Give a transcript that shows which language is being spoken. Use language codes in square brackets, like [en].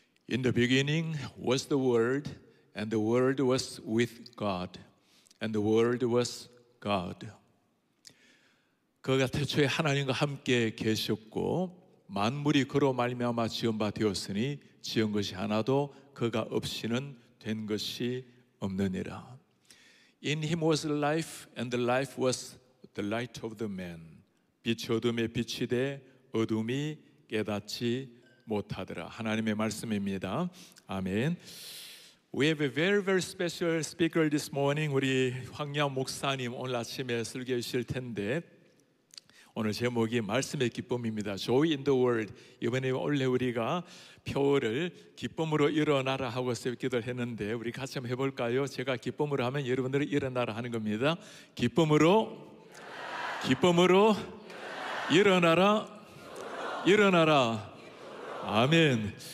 [en] In the beginning was the Word, and the Word was with God, and the Word was God. [ko] 그가 태초에 하나님과 함께 계셨고 만물이 그로 말미암아 지은 바 되었으니 지은 것이 하나도 그가 없이는 된 것이 없느니라. [en] In him was life, and the life was the light of the man. [ko] 빛이 어둠에 빛이 돼 어둠이 깨닫지 못하더라. 하나님의 말씀입니다. 아멘. [en] We have a very, very special speaker this morning. [ko] 우리 황양 목사님 오늘 아침에 설교해 주실 텐데 오늘 제목이 말씀의 기쁨입니다. [en] Joy in the world. [ko] 이번에 원래 우리가 표어를 기쁨으로 일어나라 하고 기도를 했는데 우리 같이 한번 해볼까요? 제가 기쁨으로 하면 여러분들이 일어나라 하는 겁니다. 기쁨으로 기쁨으로 일어나라 일어나라. 아멘.